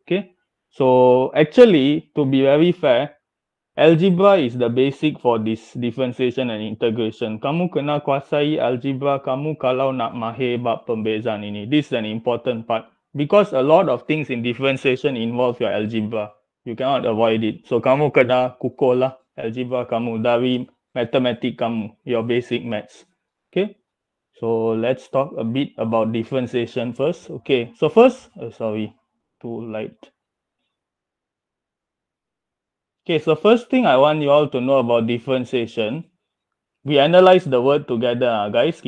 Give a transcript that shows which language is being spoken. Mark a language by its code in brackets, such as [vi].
[en] Okay, so actually, to be very fair, algebra is the basic for this differentiation and integration. [ms] Kamu kena kuasai algebra kamu kalau nak mahir bab pembezaan ini. [en] This is an important part because a lot of things in differentiation involve your algebra. You cannot avoid it. [ms] So kamu kena kukuh lah algebra kamu dari matematik kamu, [en] your basic maths. Okay, so let's talk a bit about differentiation first. Okay, so first, Okay, so first thing I want you all to know about differentiation, we analyze the word together, guys.